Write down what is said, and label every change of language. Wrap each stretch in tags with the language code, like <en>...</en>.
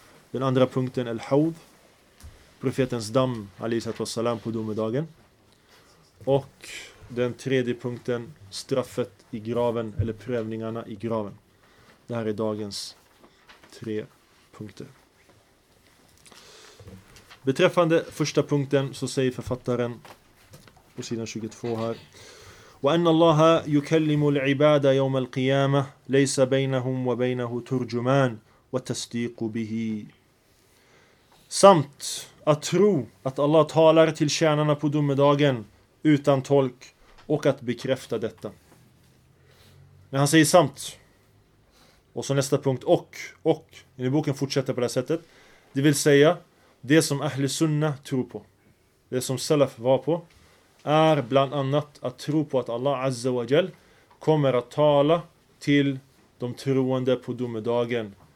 <sv>Den andra punkten, al-hawd, profetens damm, alayhi salatu wassalam, på domedagen. Och den tredje punkten, straffet i graven, eller prövningarna i graven. Det här är dagens tre punkter. Beträffande första punkten så säger författaren på sidan 22 här:</sv> <ar>وَأَنَّ اللَّهَ يُكَلِّمُ الْعِبَادَ يَوْمَ الْقِيَامَةِ لَيْسَ بَيْنَهُمْ وَبَيْنَهُ تُرْجُمَانَ وَتَسْدِيقُ بِهِ.</ar> <sv>Samt att tro att Allah talar till tjänarna på domedagen utan tolk, och att bekräfta detta. När han säger samt, och så nästa punkt, och i boken fortsätter på det sättet, det vill säga det som Ahl Sunnah tror på, det som Salaf var på, är bland annat att tro på att Allah Azza wa Jal kommer att tala till de troende på domedagen.</sv>